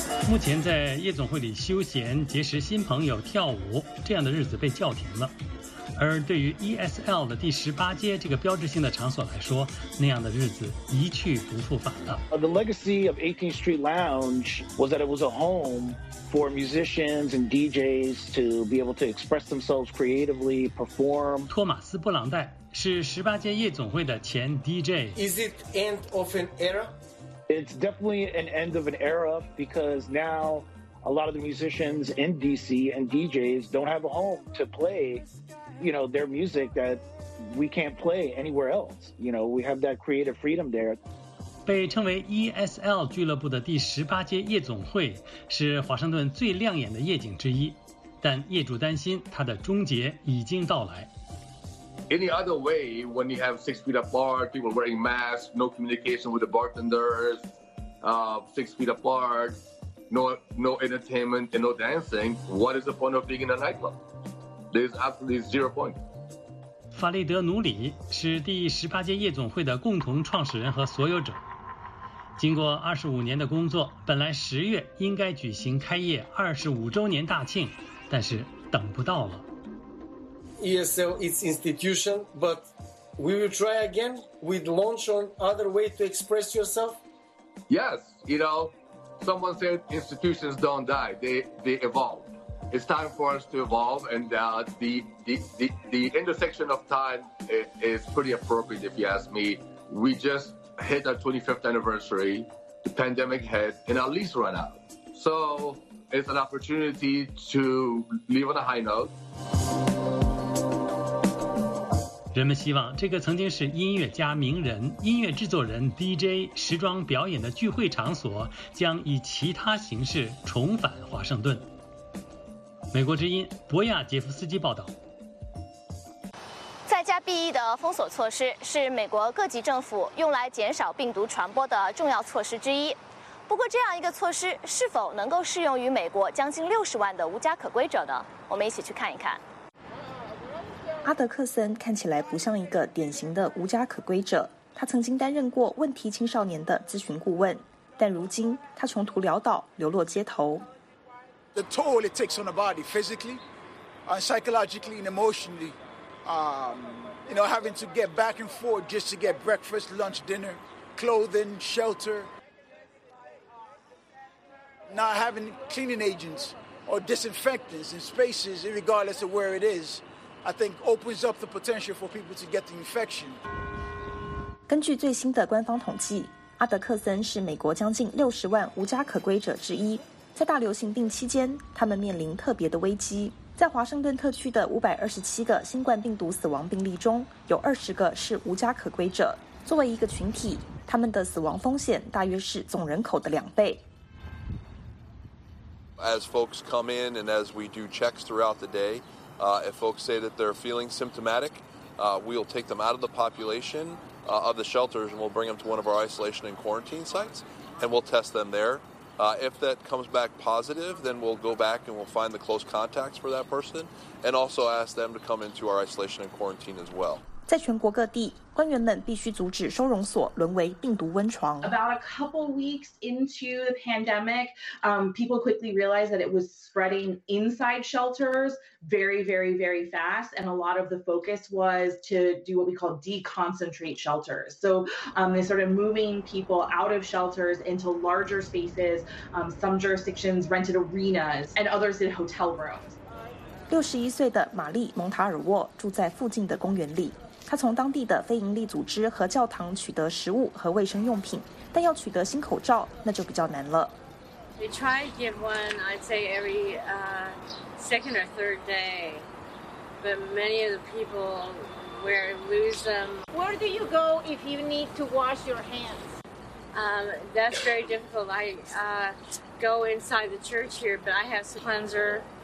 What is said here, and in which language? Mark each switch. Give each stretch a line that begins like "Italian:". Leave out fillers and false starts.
Chinese: 目前在夜总会里休闲、结识新朋友、跳舞这样的日子被叫停了，而对于 ESL 的第18街这个标志性的场所来说，那样的日子一去不复返了。
English: The legacy of 18th Street Lounge was that it was a home for musicians and DJs to be able to express themselves creatively, perform.
Chinese: 托马斯·布朗代是18街夜总会的前 DJ。
English: Is it end of an era? It's definitely an end of an era because now. A lot of the musicians in DC and DJs don't have a home to play, you know, their music that we can't play anywhere else. You know, we have that creative freedom there.
Chinese: 被称为 ESL 俱乐部的第18街夜总会是华盛顿最亮眼的夜景之一，但业主担心它的终结已经到来。
English: Any other way, when you have 6 feet apart, people wearing masks, no communication with the bartenders, 6 feet apart. No entertainment and no dancing. What is the point of being in a nightclub? There's absolutely zero point.
Chinese: 法利德·努里是第18街夜总会的共同创始人和所有者。经过25年的工作，本来10月应该举行开业25周年大庆，但是等不到了。
English: ESL is institution, but we will try again. We'd launch on other way to express yourself. Yes, you know. Someone said institutions don't die, they evolve. It's time for us to evolve, and the intersection of time is pretty appropriate, if you ask me. We just hit our 25th anniversary, the pandemic hit, and our lease ran out. So it's an opportunity to leave on a high note.
Chinese: 人们希望这个曾经是音乐家、名人、音乐制作人、DJ、时装表演的聚会场所将以其他形式重返华盛顿。美国之音博亚杰夫斯基报道。在家避疫的封锁措施是美国各级政府用来减少病毒传播的重要措施之一。不过这样一个措施是否能够适用于美国将近60万的无家可归者呢？我们一起去看一看。阿德克森看起来不像一个典型的无家可归者，他曾经担任过问题青少年的咨询顾问，但如今他穷途潦倒，流落街头。
English: The toll it takes on the body physically, psychologically and emotionally, you know, having to get back and forth just to get breakfast, lunch, dinner, clothing, shelter, not having cleaning agents or disinfectants in spaces, regardless of where it is. I think opens up the potential for people to get the infection.
Chinese: 根据最新的官方统计，阿德克森是美国将近60万无家可归者之一。在大流行病期间，他们面临特别的危机。在华盛顿特区的527个新冠病毒死亡病例中，有20个是无家可归者。作为一个群体，他们的死亡风险大约是总人口的2倍。
English: As folks come in and as we do checks throughout the day. If folks say that they're feeling symptomatic, we'll take them out of the population, of the shelters, and we'll bring them to one of our isolation and quarantine sites, and we'll test them there. If that comes back positive, then we'll go back and we'll find the close contacts for that person, and also ask them to come into our isolation and quarantine as well.
Chinese: 在全国各地，官员们必须阻止收容所沦为病毒温床。
English: About a couple weeks into the pandemic, people quickly realized that it was spreading inside shelters very, very, very fast. And a lot of the focus was to do what we call deconcentrate shelters. So they started moving people out of shelters into larger spaces. Some jurisdictions rented arenas and others did hotel rooms.
Chinese: 61岁的玛丽·蒙塔尔沃住在附近的公园里。他从当地的非营利组织和教堂取得食物和卫生用品，但要取得新口罩那就比较难了。
English: We try to get one, I'd say every second or third day, but many of the people wear lose them. Where do you go if you need to wash your hands? That's very difficult. I go inside the church here, but I have some cleanser.